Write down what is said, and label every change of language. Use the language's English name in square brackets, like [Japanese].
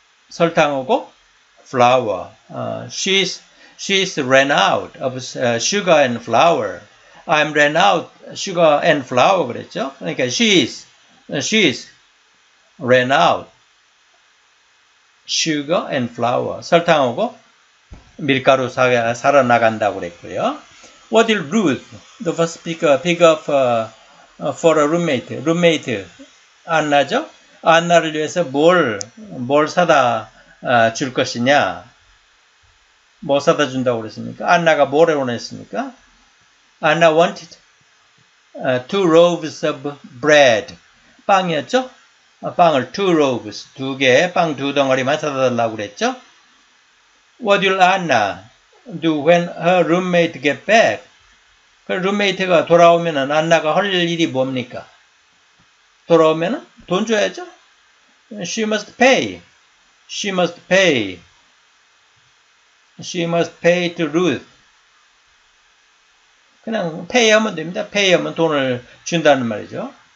[Korean] 설탕하고 [English] flour. She's ran out of sugar and flour. I'm ran out sugar and flour [Korean] 그랬죠. 그러니까 [English] she's ran out sugar and flour. [Korean] 설탕하고 밀가루 살아나간다고 그랬고요. [English] What did Ruth, the first speaker, pick up for a roommate? [Korean] Roommate, 안나죠? 안나를 위해서 뭘 사다 줄 것이냐? 뭐 사다 준다고 그랬습니까? 안나가 뭘 원했습니까? [English] Anna wanted two loaves of bread. [Korean] 빵이었죠? 빵을 [English] two loaves, [Korean] 두 개, 빵 두 덩어리만 사다 달라고 그랬죠? [English] What will Anna do when her roommate get back? [Korean] 그 룸메이트가 돌아오면은 안나가 할 일이 뭡니까? 돌아오면은 돈 줘야죠. [English] She must pay. She must pay. She must pay to Ruth. [Korean] 그냥 pay하면 됩니다. pay하면 돈을 준다는 말이죠.